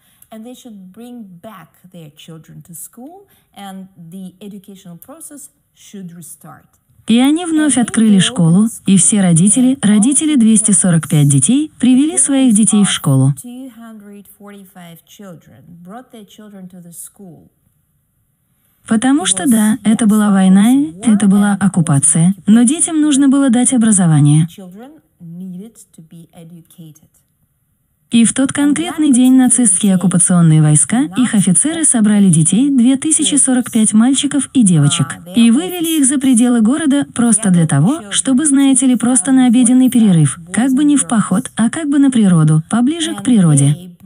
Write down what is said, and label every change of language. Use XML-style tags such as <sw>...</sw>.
<en>And they should bring back their children to school, and the educational process should restart.</en> <ru>И они вновь открыли школу, и все родители, родители 245 детей, привели своих детей в школу.</ru> <en>245 children brought their children to the school.</en> <ru>Потому что да, это была война, это была оккупация, но детям нужно было дать образование.</ru> <en>Children needed to be educated.</en> <ru>И в тот конкретный день нацистские оккупационные войска, их офицеры собрали детей, 2045 мальчиков и девочек, и вывели их за пределы города просто для того, чтобы, знаете ли, просто на обеденный перерыв, как бы не в поход, а как бы на природу, поближе к природе.</ru>